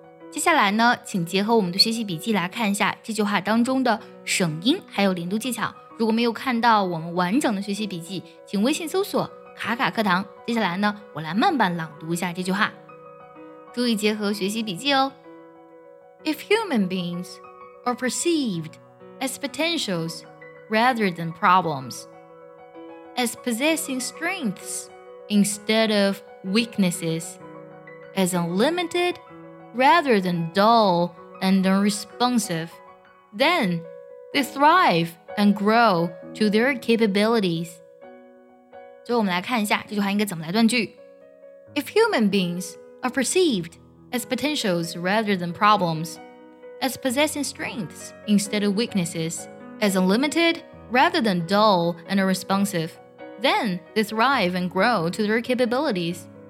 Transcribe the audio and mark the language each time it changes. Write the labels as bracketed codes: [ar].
[zh] 接下来呢请结合我们的学习笔记来看一下这句话当中的省音还有连读技巧。如果没有看到我们完整的学习笔记，请微信搜索卡卡课堂。接下来呢我来慢慢朗读一下这句话，注意结合学习笔记哦。 [en] If human beings are perceived as potentials rather than problems, as possessing strengths instead of weaknesses, as unlimited rather than dull and unresponsive, thenThey thrive and grow to their capabilities. [zh] 最后我们来看一下这句话应该怎么来断句。 [en] If human beings are perceived as potentials rather than problems, as possessing strengths instead of weaknesses, as unlimited rather than dull and unresponsive, then they thrive and grow to their capabilities.